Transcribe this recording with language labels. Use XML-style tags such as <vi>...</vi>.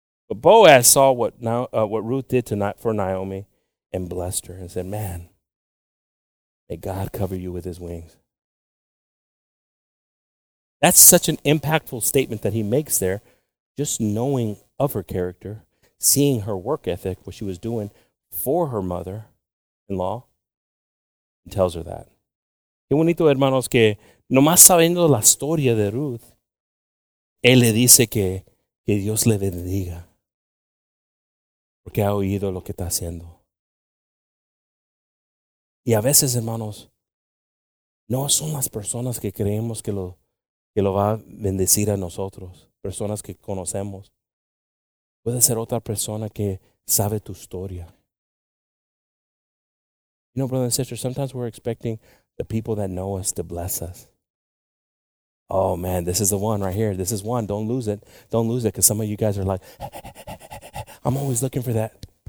<en>But Boaz saw what Ruth did tonight for Naomi and blessed her and said, man, may God cover you with his wings. That's such an impactful statement that he makes there, just knowing of her character, seeing her work ethic, what she was doing for her mother-in-law, and tells her that.</en> <es>Qué bonito, hermanos, que nomás sabiendo la historia de Ruth, él le dice que Dios le bendiga. Porque ha oído lo que está haciendo. Y a veces, hermanos, no son las personas que creemos que lo va a bendecir a nosotros, personas que conocemos. Puede ser otra persona que sabe tu historia.</es> <en>You know, brothers and sisters, sometimes we're expecting the people that know us to bless us. Oh, man, this is the one right here. This is one. Don't lose it. Don't lose it, because some of you guys are like, I'm always looking for that.</en>